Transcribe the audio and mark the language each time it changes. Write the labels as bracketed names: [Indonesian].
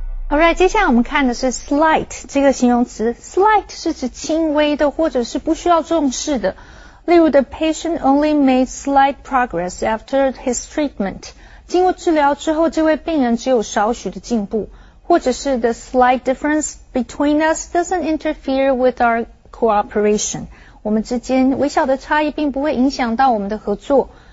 [English] Alright, [Chinese] 接下来我们看的是 slight 这个形容词。Slight 是指轻微的或者是不需要重视的。例如 [English] ,the patient only made slight progress after his treatment. [Chinese] 经过治疗之后这位病人只有少许的进步。或者是 [English] the slight difference between us doesn't interfere with our cooperation. [Chinese] 我们之间微小的差异并不会影响到我们的合作。